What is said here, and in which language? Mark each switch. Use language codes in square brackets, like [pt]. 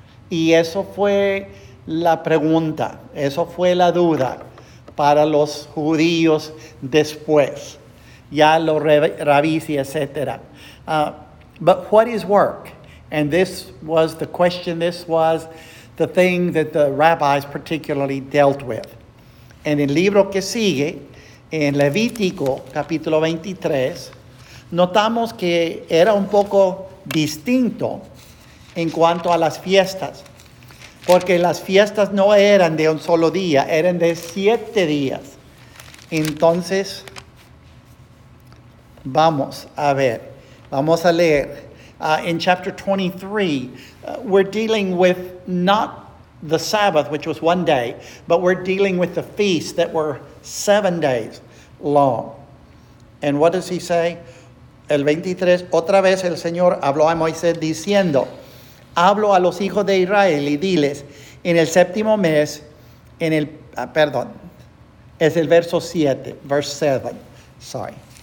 [es] Y eso fue la pregunta, eso fue la duda para los judíos después, ya los rabis y etcétera. [en] But what is work? And this was the question, this was the thing that the rabbis particularly dealt with. [es] En el libro que sigue, en Levítico, capítulo 23, notamos que era un poco distinto en cuanto a las fiestas. Porque las fiestas no eran de un solo día, eran de 7 días. Entonces, vamos a ver, vamos a leer. [en] In chapter 23, we're dealing with not the Sabbath, which was one day, but we're dealing with the feasts that were 7 days long. And what does he say? [es] El 23, otra vez el Señor habló a Moisés diciendo, hablo a los hijos de Israel y diles, en el séptimo mes, es el verso 7, [en] verse 7, sorry.